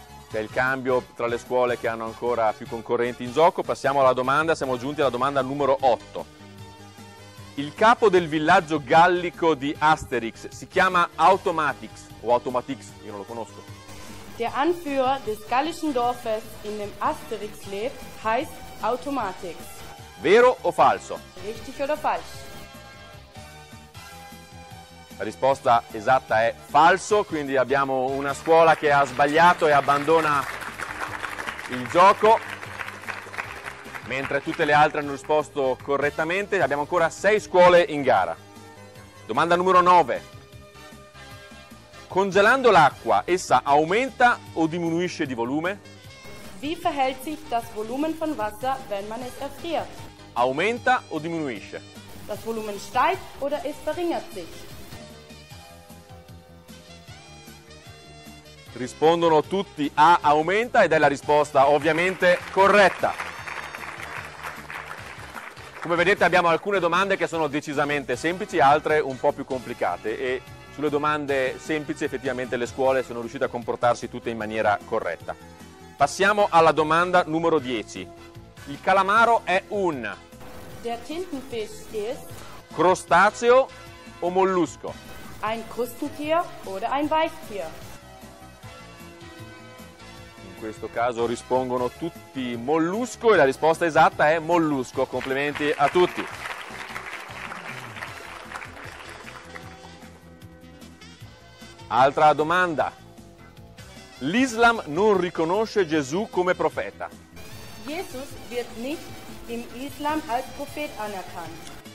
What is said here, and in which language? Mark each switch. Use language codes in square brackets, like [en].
[it] C'è il cambio tra le scuole che hanno ancora più concorrenti in gioco. Passiamo alla domanda, siamo giunti alla domanda numero 8. Il capo del villaggio gallico di Asterix si chiama Automatix o Automatix, io non lo conosco. [de] Der Anführer des gallischen Dorfes, in dem Asterix lebt, heißt Automatix. [it] Vero o falso? [de] Richtig oder falsch? [it] La risposta esatta è falso, quindi abbiamo una scuola che ha sbagliato e abbandona il gioco, mentre tutte le altre hanno risposto correttamente. Abbiamo ancora sei scuole in gara. Domanda numero 9. Congelando l'acqua, essa aumenta o diminuisce di volume? [de] Wie verhält sich das Volumen von Wasser, wenn man es erfriert? [it] Aumenta o diminuisce? [de] Das Volumen steigt oder es verringert sich? [it] rispondono tutti A aumenta ed è la risposta ovviamente corretta. Come vedete abbiamo alcune domande che sono decisamente semplici, altre un po' più complicate, e sulle domande semplici effettivamente le scuole sono riuscite a comportarsi tutte in maniera corretta. Passiamo alla domanda numero 10. Il calamaro è un... [de] Der Tintenfisch ist... [it] Crostaceo o mollusco? [de] Ein Krustentier oder ein Weichtier? [it] In questo caso rispongono tutti mollusco e la risposta esatta è mollusco. Complimenti a tutti. Altra domanda. L'Islam non riconosce Gesù come profeta. [de] Jesus wird nicht im Islam als Prophet anerkannt.